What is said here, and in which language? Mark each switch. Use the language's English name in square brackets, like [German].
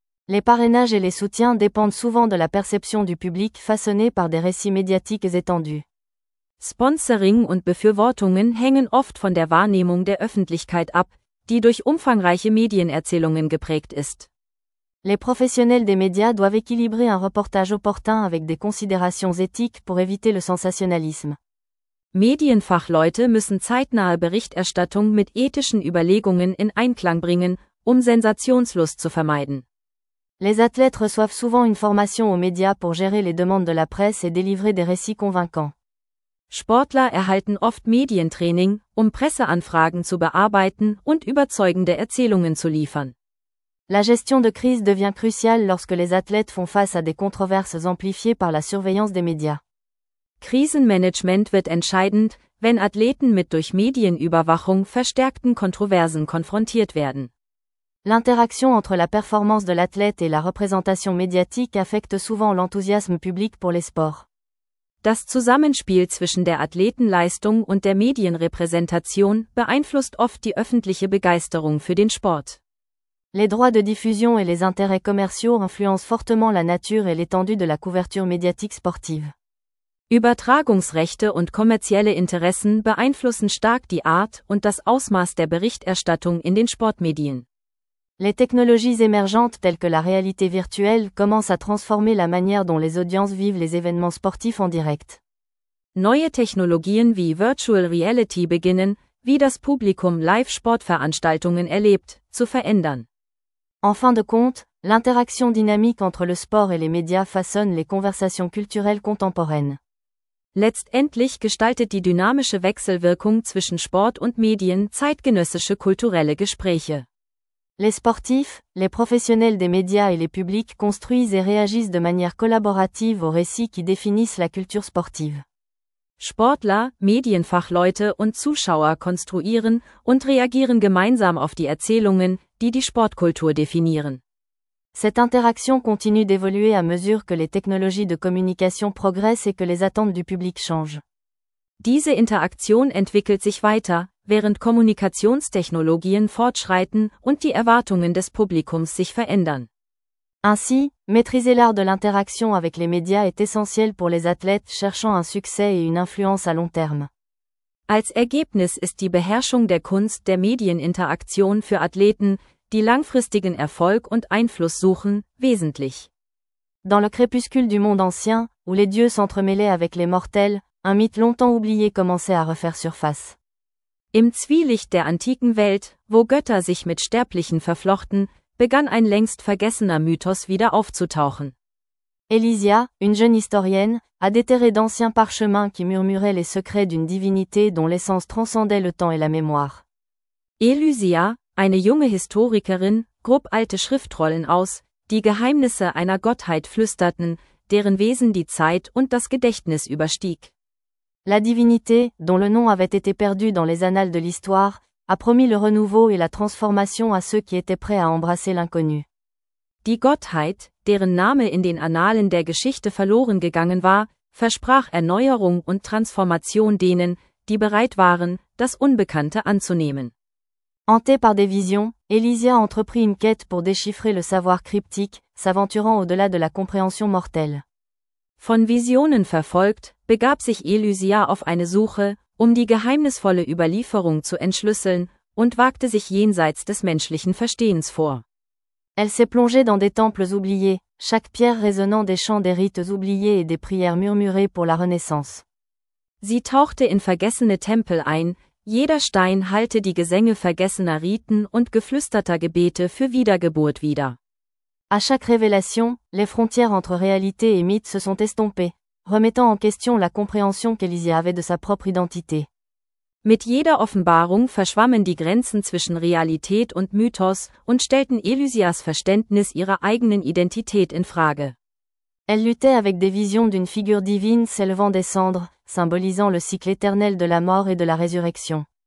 [French] Les parrainages et les soutiens dépendent souvent de la perception du public façonnée par des récits médiatiques étendus. [German] Sponsoring und Befürwortungen hängen oft von der Wahrnehmung der Öffentlichkeit ab, die durch umfangreiche Medienerzählungen geprägt ist. [French] Les professionnels des médias doivent équilibrer un reportage opportun avec des considérations éthiques pour éviter le sensationnalisme. [German] Medienfachleute müssen zeitnahe Berichterstattung mit ethischen Überlegungen in Einklang bringen, um Sensationslust zu vermeiden. [French] Les athlètes reçoivent souvent une formation aux médias pour gérer les demandes de la presse et délivrer des récits convaincants. [German] Sportler erhalten oft Medientraining, um Presseanfragen zu bearbeiten und überzeugende Erzählungen zu liefern. [French] La gestion de crise devient cruciale lorsque les athlètes font face à des controverses amplifiées par la surveillance des médias. [German] Krisenmanagement wird entscheidend, wenn Athleten mit durch Medienüberwachung verstärkten Kontroversen konfrontiert werden. [French] L'interaction entre la performance de l'athlète et la représentation médiatique affecte souvent l'enthousiasme public pour les sports. [German] Das Zusammenspiel zwischen der Athletenleistung und der Medienrepräsentation beeinflusst oft die öffentliche Begeisterung für den Sport. [French] Les droits de diffusion et les intérêts commerciaux influencent fortement la nature et l'étendue de la couverture médiatique sportive. [German] Übertragungsrechte und kommerzielle Interessen beeinflussen stark die Art und das Ausmaß der Berichterstattung in den Sportmedien. [French] Les technologies émergentes telles que la réalité virtuelle commencent à transformer la manière dont les audiences vivent les événements sportifs en direct. [German] Neue Technologien wie Virtual Reality beginnen, wie das Publikum Live-Sportveranstaltungen erlebt, zu verändern. [French] En fin de compte, l'interaction dynamique entre le sport et les médias façonne les conversations culturelles contemporaines. [German] Letztendlich gestaltet die dynamische Wechselwirkung zwischen Sport und Medien zeitgenössische kulturelle Gespräche. [French] Les sportifs, les professionnels des médias et les publics construisent et réagissent de manière collaborative aux récits qui définissent la culture sportive. [German] Sportler, Medienfachleute und Zuschauer konstruieren und reagieren gemeinsam auf die Erzählungen, die die Sportkultur definieren. [French] Cette interaction continue d'évoluer à mesure que les technologies de communication progressent et que les attentes du public changent. [German] Diese Interaktion entwickelt sich weiter, während Kommunikationstechnologien fortschreiten und die Erwartungen des Publikums sich verändern. [French] Ainsi, maîtriser l'art de l'interaction avec les médias est essentiel pour les athlètes cherchant un succès et une influence à long terme. [German] Als Ergebnis ist die Beherrschung der Kunst der Medieninteraktion für Athleten, die langfristigen Erfolg und Einfluss suchen, wesentlich. [French] Dans le crépuscule du monde ancien, où les dieux s'entremêlaient avec les mortels, un mythe longtemps oublié commençait à refaire surface. [German] Im Zwielicht der antiken Welt, wo Götter sich mit Sterblichen verflochten, begann ein längst vergessener Mythos wieder aufzutauchen. [French] Elysia, une jeune historienne, a déterré d'anciens parchemins qui murmuraient les secrets d'une divinité dont l'essence transcendait le temps et la mémoire. [German] Elysia, eine junge Historikerin, grub alte Schriftrollen aus, die Geheimnisse einer Gottheit flüsterten, deren Wesen die Zeit und das Gedächtnis überstieg. [French] La divinité, dont le nom avait été perdu dans les annales de l'histoire, a promis le renouveau et la transformation à ceux qui étaient prêts à embrasser l'inconnu. [German] Die Gottheit, deren Name in den Annalen der Geschichte verloren gegangen war, versprach Erneuerung und Transformation denen, die bereit waren, das Unbekannte anzunehmen. [French] Hantée par des visions, Elysia entreprit une quête pour déchiffrer le savoir cryptique, s'aventurant au-delà de la compréhension mortelle. [German] Von Visionen verfolgt, begab sich Elysia auf eine Suche, um die geheimnisvolle Überlieferung zu entschlüsseln, und wagte sich jenseits des menschlichen Verstehens vor. [French] Elle s'est plongée dans des temples oubliés, chaque pierre résonnant des chants des rites oubliés et des prières murmurées pour la Renaissance. [German] Sie tauchte in vergessene Tempel ein, jeder Stein hallte die Gesänge vergessener Riten und geflüsterter Gebete für Wiedergeburt wider. [French] À chaque révélation, les frontières entre réalité et mythe se sont estompées, remettant en question la compréhension qu'Elysia avait de sa propre identité. [German] Mit jeder Offenbarung verschwammen die Grenzen zwischen Realität und Mythos und stellten Elysias Verständnis ihrer eigenen Identität in Frage. [French] Elle luttait avec des visions d'une figure divine s'élevant des cendres, symbolisant le cycle éternel de la mort et de la résurrection.